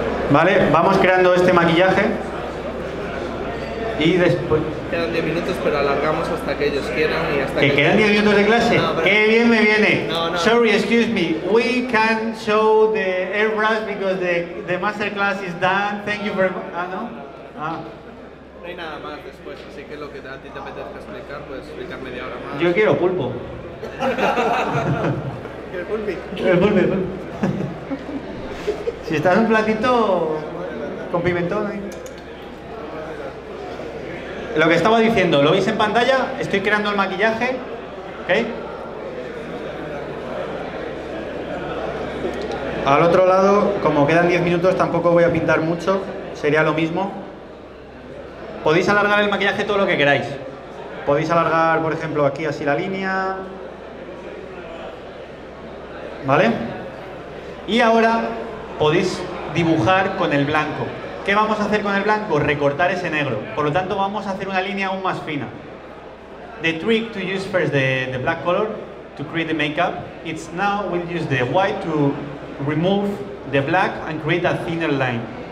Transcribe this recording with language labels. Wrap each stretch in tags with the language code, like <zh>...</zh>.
<es>Vale, vamos creando este maquillaje y después... Quedan 10 minutos, pero alargamos hasta que ellos quieran y hasta que... ¿Quedan 10 minutos de clase? No, ¡qué bien me viene! No,</es> <en>sorry, excuse me. We can show the airbrush because the masterclass is done. Thank you very much.</en> <es>No hay nada más después, así que lo que a ti te apetezca explicar, puedes explicar media hora más. Yo quiero pulpo. ¿El pulpi? El pulpi, el pulpi. Si estás en un platito con pimentón, ¿eh? Lo que estaba diciendo, ¿lo veis en pantalla? Estoy creando el maquillaje, ¿ok? Al otro lado, como quedan 10 minutos, tampoco voy a pintar mucho, sería lo mismo. Podéis alargar el maquillaje todo lo que queráis. Podéis alargar, por ejemplo, aquí así la línea. ¿Vale? Y ahora... podéis dibujar con el blanco. ¿Qué vamos a hacer con el blanco? Recortar ese negro. Por lo tanto, vamos a hacer una línea aún más fina.</es> <en>The trick to use first the black color to create the makeup. It's now we'll use the white to remove the black and create a thinner line.</en>